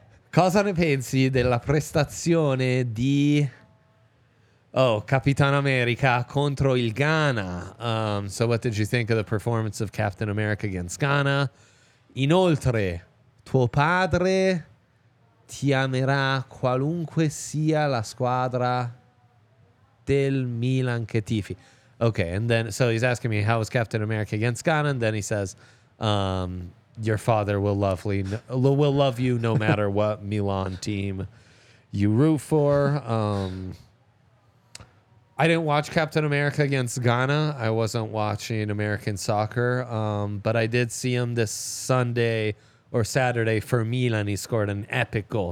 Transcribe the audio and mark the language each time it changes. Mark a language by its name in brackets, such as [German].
[Italian] Cosa ne pensi della prestazione di Capitan America contro il Ghana? [English] So what did you think of the performance of Captain America against Ghana? [Italian] Inoltre, tuo padre ti amerà qualunque sia la squadra del Milan che tifi. [English] Okay, and then, so he's asking me, how was Captain America against Ghana? And then he says, your father will love you no matter what Milan team you root for. I didn't watch Captain America against Ghana. I wasn't watching American soccer, but I did see him this Sunday or Saturday for Milan. He scored an epic goal.